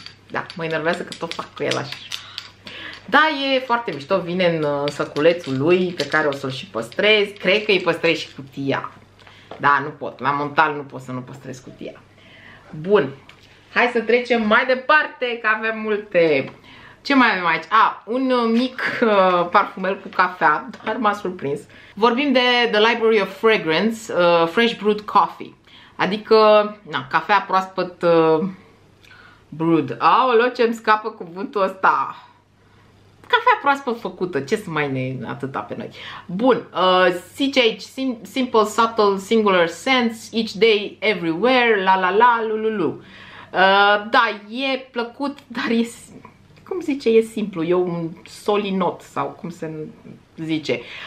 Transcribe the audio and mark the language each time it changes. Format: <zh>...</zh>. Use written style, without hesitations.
<ro>Da, mă enervează că tot fac cu el așa. Da, e foarte mișto, vine în săculețul lui pe care o să-l și păstrez. Cred că îi păstrez și cutia. Da, nu pot, la Montal nu pot să nu păstrez cutia. Bun, hai să trecem mai departe că avem multe. Ce mai avem aici? Un mic parfumel cu cafea, dar m-a surprins. Vorbim de The Library of Fragrance, Fresh Brewed Coffee. Adică, na, cafea proaspăt brewed. Aoleo, ce-mi scapă cuvântul ăsta. Cafea proaspăt făcută, ce să mai ne atâta pe noi. Bun, zice aici,</ro> <en>simple, subtle, singular scents, each day, everywhere, la la la, lululu.</en> <ro>Da, e plăcut, dar e... Cum zice, e simplu, e un solinot sau cum se zice.</ro>